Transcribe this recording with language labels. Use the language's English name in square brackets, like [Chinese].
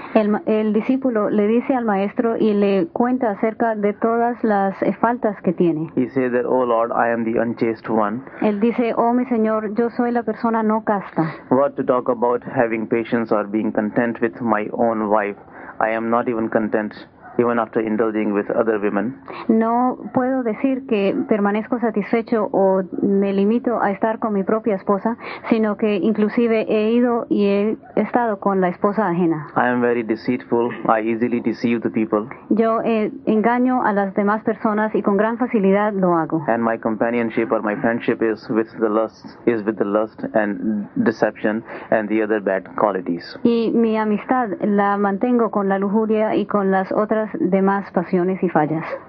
[Spanish] El discípulo le dice al maestro y le cuenta acerca de todas las faltas que tiene. [English] He says that, Oh Lord, I am the unchaste one. [Spanish] Él dice, Oh mi señor, yo soy la persona no casta. [English] What to talk about having patience or being content with my own wife? I am not even content even after indulging with other women. [Spanish] No puedo decir que permanezco satisfecho o me limito a estar con mi propia esposa, sino que inclusive he ido y he estado con la esposa ajena. [English] I am very deceitful. I easily deceive the people. [Spanish] Yo engaño a las demás personas y con gran facilidad lo hago. [English] And my companionship or my friendship is with the lust and deception and the other bad qualities. [Spanish] Y mi amistad la mantengo con la lujuria y con las otras demás pasiones y fallas.